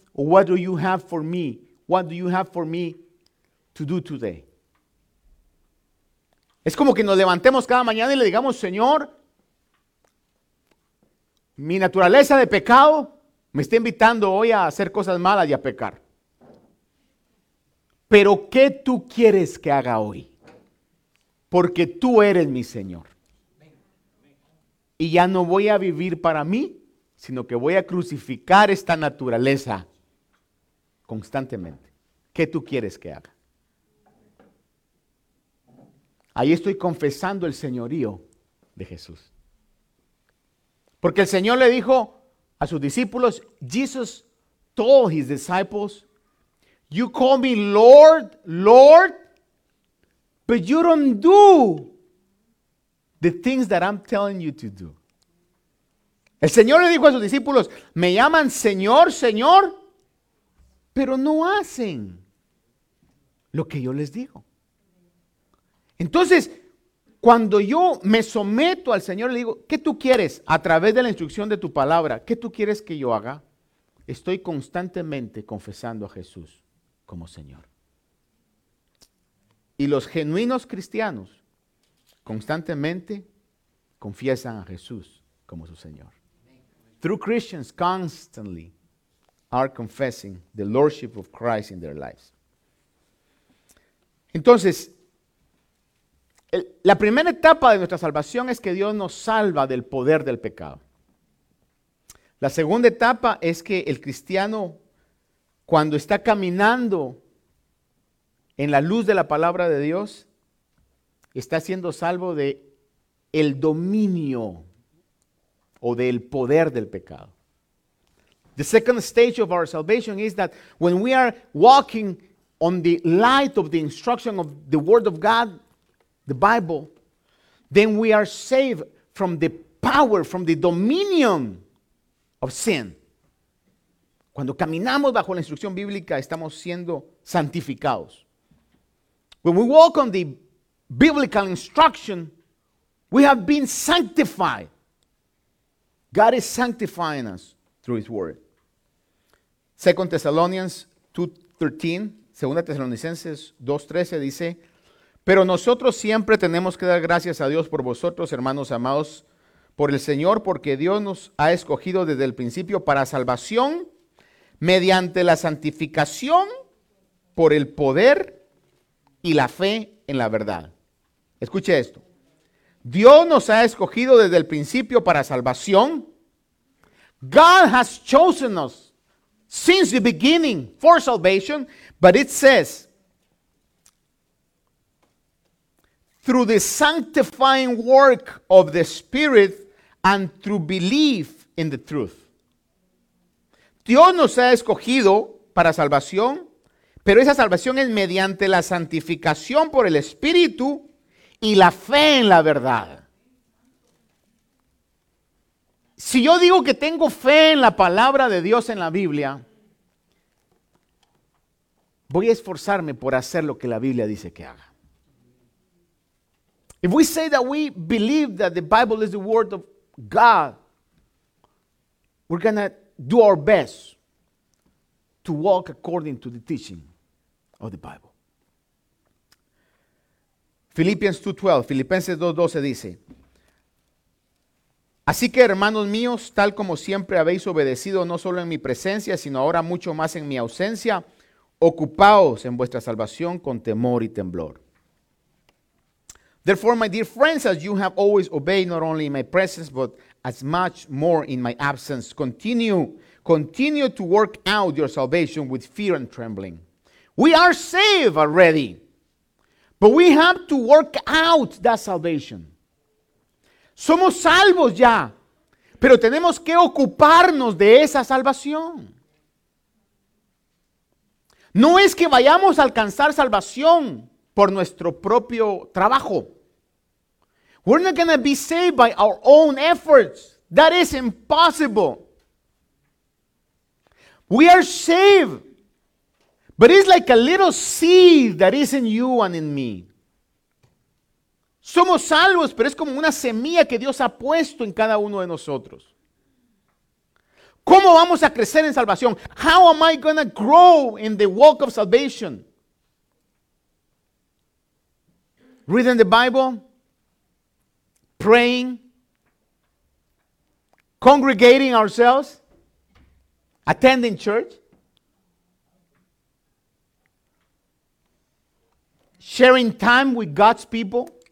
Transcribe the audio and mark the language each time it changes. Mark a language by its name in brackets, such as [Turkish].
[English] Or what do you have for me? What do you have for me to do today? [Spanish] Es como que nos levantemos cada mañana y le digamos, Señor, mi naturaleza de pecado me está invitando hoy a hacer cosas malas y a pecar. Pero ¿qué tú quieres que haga hoy? Porque tú eres mi Señor. Y ya no voy a vivir para mí, sino que voy a crucificar esta naturaleza constantemente. ¿Qué tú quieres que haga? Ahí estoy confesando el señorío de Jesús. Porque el Señor le dijo a sus discípulos, [English] Jesus told his disciples, you call me Lord, Lord, but you don't do the things that I'm telling you to do. [Spanish] El Señor le dijo a sus discípulos, me llaman Señor, Señor, pero no hacen lo que yo les digo. Entonces, cuando yo me someto al Señor, le digo, ¿qué tú quieres a través de la instrucción de tu palabra? ¿Qué tú quieres que yo haga? Estoy constantemente confesando a Jesús como Señor. Y los genuinos cristianos constantemente confiesan a Jesús como su Señor. [English] True Christians constantly are confessing the Lordship of Christ in their lives. [Spanish] Entonces, la primera etapa de nuestra salvación es que Dios nos salva del poder del pecado. La segunda etapa es que el cristiano, cuando está caminando en la luz de la palabra de Dios, está siendo salvo del dominio o del poder del pecado. [English] The second stage of our salvation is that when we are walking on the light of the instruction of the Word of God, the Bible, then we are saved from the power, from the dominion of sin. [Spanish] Cuando caminamos bajo la instrucción bíblica, estamos siendo santificados. [English] When we walk on the biblical instruction, we have been sanctified. God is sanctifying us through His Word. [Spanish] 2 Thessalonians 2:13, 2 Tesalonicenses 2:13 dice, pero nosotros siempre tenemos que dar gracias a Dios por vosotros, hermanos amados, por el Señor, porque Dios nos ha escogido desde el principio para salvación mediante la santificación por el poder y la fe en la verdad. Escuche esto. Dios nos ha escogido desde el principio para salvación. [English] God has chosen us since the beginning for salvation, but it says, through the sanctifying work of the Spirit and through belief in the truth. [Spanish] Dios nos ha escogido para salvación, pero esa salvación es mediante la santificación por el Espíritu y la fe en la verdad. Si yo digo que tengo fe en la palabra de Dios en la Biblia, voy a esforzarme por hacer lo que la Biblia dice que haga. [English] If we say that we believe that the Bible is the word of God, we're going to do our best to walk according to the teaching of the Bible. [Spanish] Philippians 2:12, Filipenses 2:12 dice, así que hermanos míos, tal como siempre habéis obedecido no solo en mi presencia, sino ahora mucho más en mi ausencia, ocupaos en vuestra salvación con temor y temblor. [English] Therefore, my dear friends, as you have always obeyed, not only in my presence, but as much more in my absence, continue to work out your salvation with fear and trembling. We are saved already, but we have to work out that salvation. [Spanish] Somos salvos ya, Pero tenemos que ocuparnos de esa salvación. No es que vayamos a alcanzar salvación por nuestro propio trabajo. [English] We're not going to be saved by our own efforts. That is impossible. We are saved. But it's like a little seed that is in you and in me. [Spanish] Somos salvos, pero es como una semilla que Dios ha puesto en cada uno de nosotros. ¿Cómo vamos a crecer en salvación? [English] How am I going to grow in the walk of salvation? Reading the Bible, praying, congregating ourselves, attending church, sharing time with God's people.